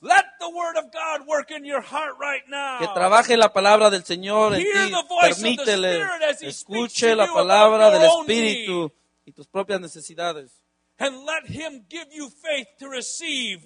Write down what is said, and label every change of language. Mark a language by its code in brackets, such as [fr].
[en] Let the word of God work in your heart right now. [es] Que trabaje la palabra del Señor en ti. Permítele escuche la palabra del Espíritu y tus propias necesidades. [en] And let him give you faith to receive